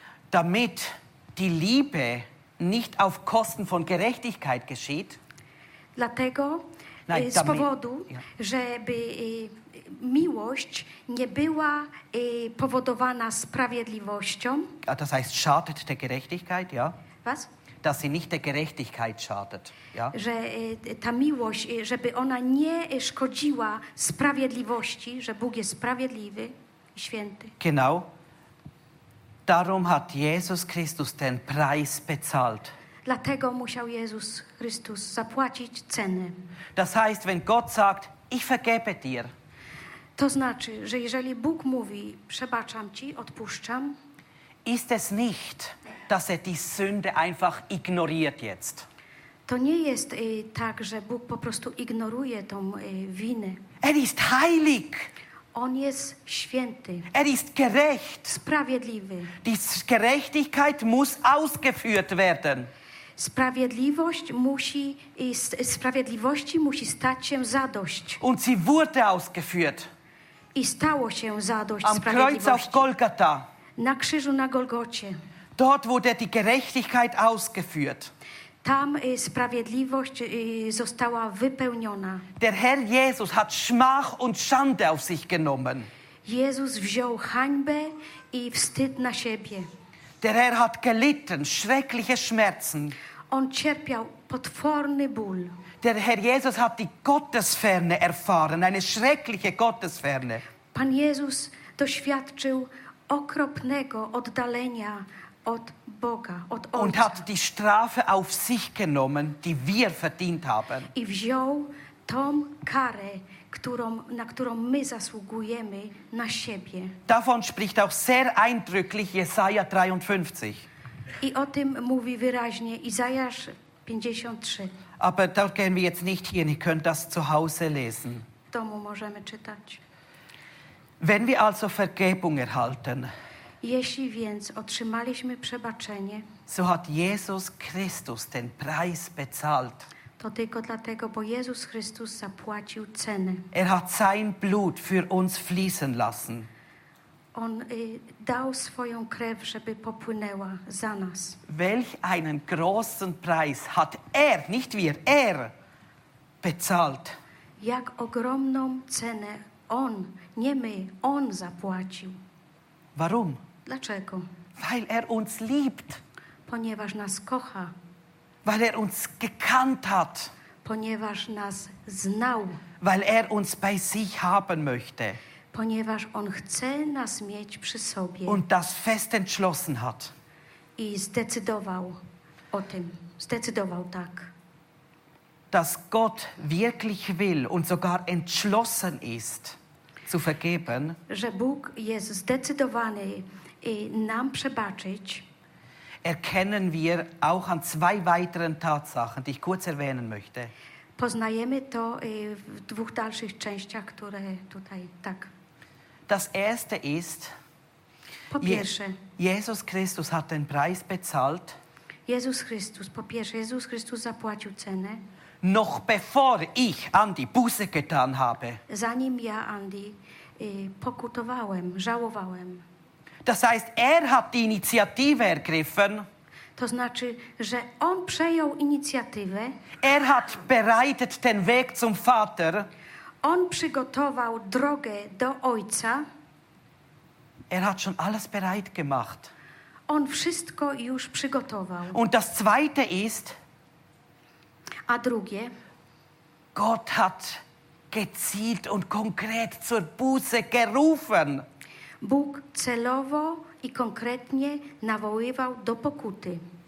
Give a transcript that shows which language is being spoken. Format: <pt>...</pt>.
<de>Damit die Liebe nicht auf Kosten von Gerechtigkeit geschieht.</de> <pl>Dlatego, z powodu, żeby miłość nie była powodowana sprawiedliwością.</pl> <de>Ja, das heißt, schadet der Gerechtigkeit, ja? Was? Dass sie nicht der Gerechtigkeit schadet, ja?</de> <pl>Że ta miłość, żeby ona nie szkodziła sprawiedliwości, że Bóg jest sprawiedliwy i święty.</pl> <de>Genau. Darum hat Jesus Christus den Preis bezahlt.</de> <pl>Dlatego musiał Jezus Chrystus zapłacić cenę.</pl> <de>Das heißt, wenn Gott sagt, ich vergebe dir.</de> <pl>To znaczy, że jeżeli Bóg mówi, przebaczam ci, odpuszczam,</pl> <de>ist es nicht, dass er die Sünde einfach ignoriert jetzt.</de> <pl>To nie jest tak, że Bóg po prostu ignoruje tą winę.</pl> <de>Er ist heilig.</de> <pl>On jest święty.</pl> <de>Er ist gerecht.</de> <pl>Sprawiedliwy.</pl> <de>Die Gerechtigkeit muss ausgeführt werden.</de> <pl>Sprawiedliwość musi, sprawiedliwości musi stać się zadość.</pl> <de>Und sie wurde ausgeführt.</de> <pl>I stało się zadość</pl> <de>am</de> <pl>sprawiedliwości.</pl> <de>Kreuz auf Golgatha.</de> <pl>Na krzyżu na Golgocie.</pl> <de>Dort wurde die Gerechtigkeit ausgeführt.</de> <pl>Tam sprawiedliwość została wypełniona.</pl> <de>Der Herr Jesus hat Schmach und Schande auf sich genommen.</de> <pl>Jezus wziął hańbę i wstyd na siebie.</pl> <de>Der Herr hat gelitten schreckliche Schmerzen.</de> <pl>On cierpiał potworny ból.</pl> <de>Der Herr Jesus hat die Gottesferne erfahren, eine schreckliche Gottesferne.</de> <pl>Pan Jezus doświadczył okropnego oddalenia od Boga, od Ojca.</pl> <de>Und hat die Strafe auf sich genommen, die wir verdient haben.</de> <pl>I wziął tą karę, na którą my zasługujemy na siebie.</pl> <de>Davon spricht auch sehr eindrücklich Jesaja 53.</de> <pl>I o tym mówi wyraźnie Izajasz 53.</pl> <de>Aber da gehen wir jetzt nicht hin, ihr könnt das zu Hause lesen.</de> <pl>W domu możemy czytać.</pl> <de>Wenn wir also Vergebung erhalten,</de> <pl>jeśli więc otrzymaliśmy przebaczenie,</pl> <de>so hat Jesus Christus den Preis bezahlt.</de> <pl>To tylko dlatego, bo Jezus Chrystus zapłacił cenę.</pl> <de>Er hat sein Blut für uns fließen lassen.</de> <pl>On dał swoją krew, żeby popłynęła za nas.</pl> <de>Welch einen großen Preis hat er, nicht wir, er bezahlt.</de> <pl>Jak ogromną cenę on, nie my, on zapłacił.</pl> <de>Warum?</de> <pl>Dlaczego?</pl> <de>Weil er uns liebt.</de> <pl>Ponieważ nas kocha.</pl> <de>Weil er uns gekannt hat.</de> <pl>Ponieważ nas znał.</pl> <de>Weil er uns bei sich haben möchte.</de> <pl>Ponieważ on chce nas mieć przy sobie.</pl> <de>Und das fest entschlossen hat.</de> <pl>I zdecydował o tym. Zdecydował tak.</pl> <de>Dass Gott wirklich will und sogar entschlossen ist zu vergeben.</de> <pl>Że Bóg jest zdecydowany i nam przebaczyć.</pl> <de>Erkennen wir auch an zwei weiteren Tatsachen, die ich kurz erwähnen möchte.</de> <pl>Poznajemy to w dwóch dalszych częściach, które tutaj tak.</pl> <de>Das erste ist,</de> <pl>po pierwsze,</pl> <de>Jesus Christus hat den Preis bezahlt.</de> <pl>Jezus Chrystus, po pierwsze, Jezus Chrystus zapłacił cenę.</pl> <de>Noch bevor ich Andi Buße getan habe.</de> <pl>Zanim ja Andi pokutowałem, żałowałem.</pl> <de>Das heißt, er hat die Initiative ergriffen.</de> <pl>To znaczy, że on przejął inicjatywę.</pl> <de>Er hat bereitet den Weg zum Vater.</de> <pl>On przygotował drogę do Ojca.</pl> <de>Er hat schon alles bereit gemacht.</de> <pl>On wszystko już przygotował.</pl> <de>Und das zweite ist,</de> <pl>a drugie,</pl> <de>Gott hat gezielt und konkret zur Buße gerufen.</de> <pl>Bóg celowo i konkretnie nawoływał do pokuty.</pl>